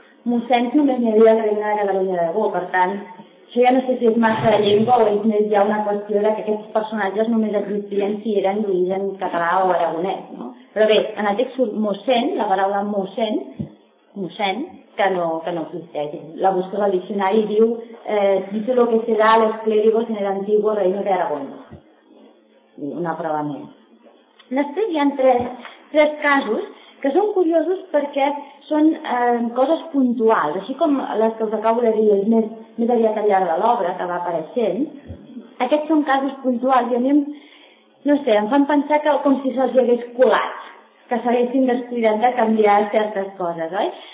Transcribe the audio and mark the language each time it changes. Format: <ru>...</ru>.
<ca>Mossèn només n'hi havia la reina de Catalunya d'Aragó, per tant, això ja no sé si és massa llengua o és més ja una qüestió de que aquests personatges només existien si eren d'origen català o aragonès, no? Però bé, en el text surt mossèn, la paraula mossèn, mossèn, que no existeix. La busca del diccionari diu</ca> <es>dice lo que será a los clérigos en el antiguo reino de Aragón.</es> <ca>Una prova més. Després hi ha tres casos que són curiosos perquè són coses puntuals, així com les que us acabo de dir més aviat al llarg de l'obra que va apareixent. Aquests són casos puntuals i a mi, no sé, em fan pensar que, com si se'ls hagués colat, que s'haguessin descuidat de canviar certes coses, oi?</ca>